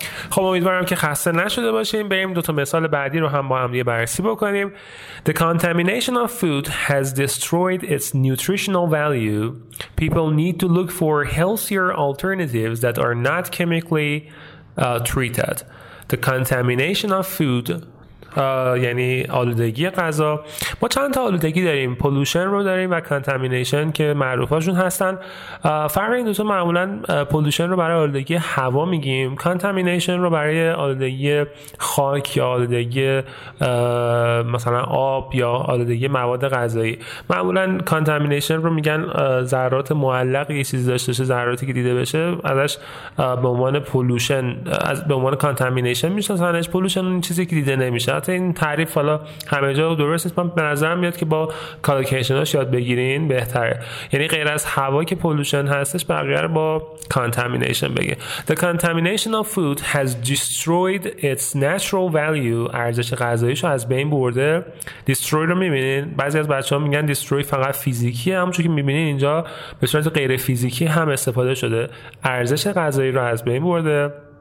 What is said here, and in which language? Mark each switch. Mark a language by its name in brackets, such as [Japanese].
[Persian] خب امیدوارم که خسته نشده باشیم. بریم دو تا مثال بعدی رو هم با هم دیگه بررسی بکنیم. [English] The contamination of food has destroyed its nutritional value. People need to look for healthier alternatives that are not chemically treated. The contamination of food [Persian] یعنی آلودگی غذا. ما چند تا آلودگی داریم، پولوشن رو داریم و کانتامینیشن که معروفاشون هستن. فرق این دو تا معمولا پولوشن رو برای آلودگی هوا میگیم، کانتامینیشن رو برای آلودگی خاک یا آلودگی مثلا آب یا آلودگی مواد غذایی. معمولا کانتامینیشن رو میگن ذرات معلق یه چیزی داشته باشه، ذراتی که دیده بشه ازش به عنوان پولوشن، از به عنوان کانتامینیشن میشناسنش. پولوشن اون چیزی که دیده نمیشه. حتی این تعریف حالا همه جا درست نیست، من به نظرم میاد که با کالوکیشناش یاد بگیرین بهتره. یعنی غیر از هوا که پولوشن هستش، بقیه رو با کانتامینیشن بگه. [English] The contamination of food has destroyed its natural value. [Persian] ارزش غذاییشو از بین برده. Destroy رو میبینین، بعضی از بچه‌ها میگن destroy فقط فیزیکیه، همونجوری که میبینین اینجا به صورت غیر فیزیکی هم استفاده شده، ارزش غذایی رو از بین برده.